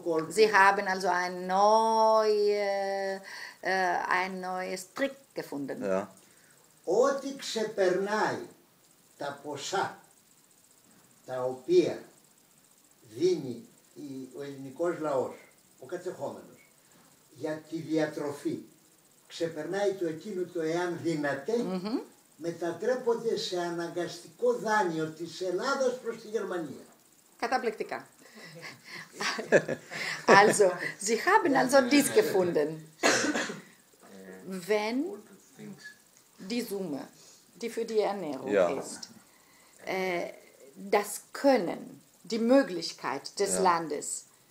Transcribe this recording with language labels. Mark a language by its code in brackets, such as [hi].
[de] Sie haben also ein neues Trick gefunden. [el] Ό,τι ξεπερνάει τα ποσά τα οποία δίνει ο ελληνικός λαός, ο κατεχόμενος, για τη διατροφή, ξεπερνάει το εκείνο το εάν δυνατέ, μετατρέπονται σε αναγκαστικό δάνειο της Ελλάδας προς τη Γερμανία. Καταπληκτικά. [de] Also, Sie haben also dies gefunden. Wenn die Summe, die für die Ernährung ist, das Können, die Möglichkeit des Landes